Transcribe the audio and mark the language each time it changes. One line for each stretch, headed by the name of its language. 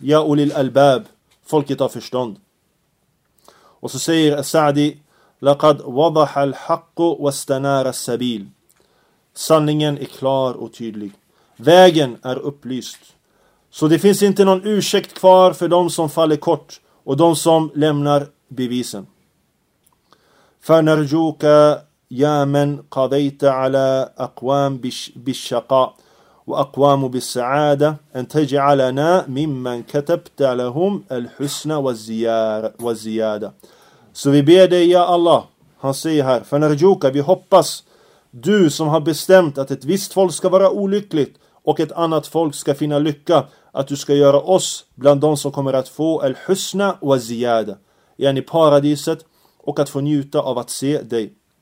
Arabic: Ja ulil albab,
Swedish: folket har förstånd. Och så säger Sa'di,
Arabic: laqad wadaha al-haqq wastanara as-sabil.
Swedish: Sanningen är klar och tydlig. Vägen är upplyst. Så det finns inte någon ursäkt kvar för de som faller kort och de som lämnar bevisen.
Arabic: Fanarjuka يا من قضيت على أقوام بالشقاء وأقوام بالسعادة أن تجعلنا ممن كتبت لهم الحسن والزيادة.
Swedish: Så vi ber dig, ja Allah, han säger här, för när vi hoppas, du som har bestämt att ett visst folk ska vara olyckligt och ett annat folk ska finna lycka, att du ska göra oss bland de som kommer att få
Arabic: al-husna wa ziyada,
Swedish: yani paradiset, och att få njuta av att se dig.